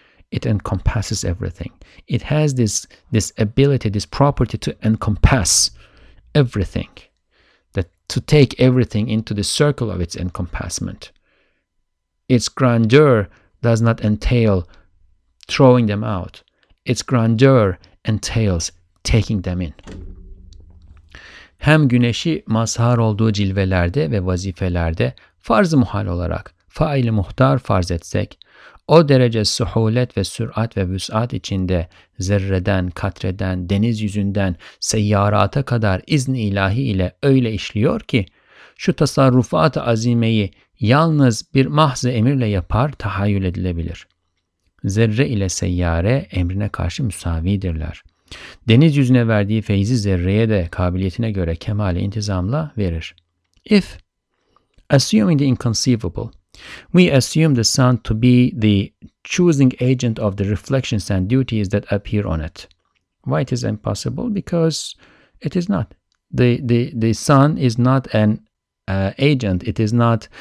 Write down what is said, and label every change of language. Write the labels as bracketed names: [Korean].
[English] It encompasses everything. It has this ability, this property to encompass everything, that to take everything into the circle of its encompassment. Its grandeur does not entail throwing them out. Its grandeur entails taking them in. [Turkish] Hem güneşi mazhar olduğu cilvelerde ve vazifelerde farz-ı muhal olarak fail-i muhtar farz etsek, o derece suhulet ve sürat ve vüs'at içinde zerreden, katreden, deniz yüzünden seyyarata kadar izn-i ilahi ile öyle işliyor ki, şu tasarrufat-ı azimeyi yalnız bir mahz-ı emirle yapar, tahayyül edilebilir. Zerre ile seyyare emrine karşı müsavidirler. Deniz yüzüne verdiği feyzi zerreye de kabiliyetine göre kemale intizamla verir. [English] If, assuming the inconceivable, we assume the sun to be the choosing agent of the reflections and duties that appear on it. Why it is impossible? Because it is not. The sun is not an agent. It is not.